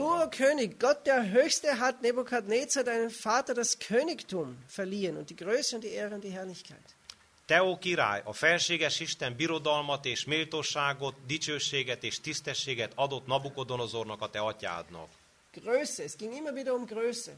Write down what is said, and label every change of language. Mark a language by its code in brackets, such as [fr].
[de] Du, o König, Gott der Höchste hat Nebukadnezar, deinem Vater, das Königtum verliehen und die Größe und die Ehre und die Herrlichkeit. [hu] Te, o király, a felséges Isten birodalmat és méltóságot, dicsőséget és tisztességet adott Nabukodonozornak, a te atyádnak. [de] Größe, es ging immer wieder Größe.